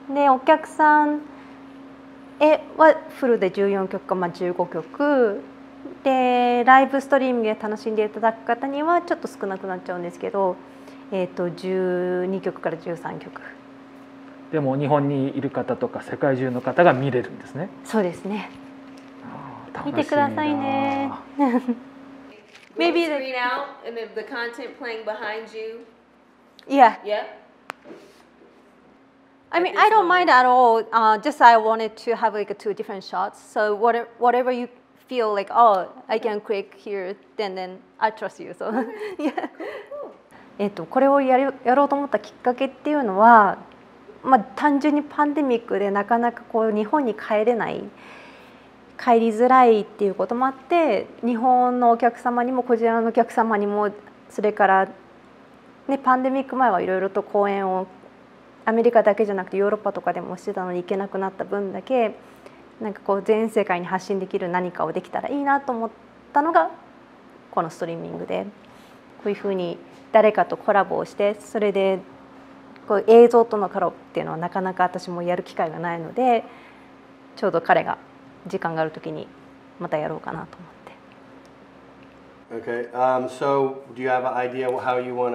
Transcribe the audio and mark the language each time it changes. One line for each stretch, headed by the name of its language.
Japanese: でお客さんはフルで14曲か、まあ、15曲でライブストリームで楽しんでいただく方にはちょっと少なくなっちゃうんですけど、12曲から13曲でも日本にいる方とか世界中の方が見れるんですね。そうですね。見てくださいね。
English: Maybe the screen out and then the content playing behind you. Yeah. Yeah. I mean, I don't mind at all. Just I wanted to have like two different shots. So whatever you feel like, oh, I can click here, then I trust you. So, yeah.
Japanese: これをやろうと思ったきっかけっていうのは、まあ、単純にパンデミックでなかなかこう日本に帰れない、帰りづらいっていうこともあって、日本のお客様にもこちらのお客様にも、それから、ね、パンデミック前はいろいろと講演をアメリカだけじゃなくてヨーロッパとかでもしてたのに行けなくなった分だけ、なんかこう全世界に発信できる何かをできたらいいなと思ったのがこのストリーミングで、こういうふうに誰かとコラボをして、それでこう映像とのコラボっていうのはなかなか私もやる機会がないので、ちょうど彼が時間があるときにまたやろうかなと思って。
English: Okay, so do you have an idea how you want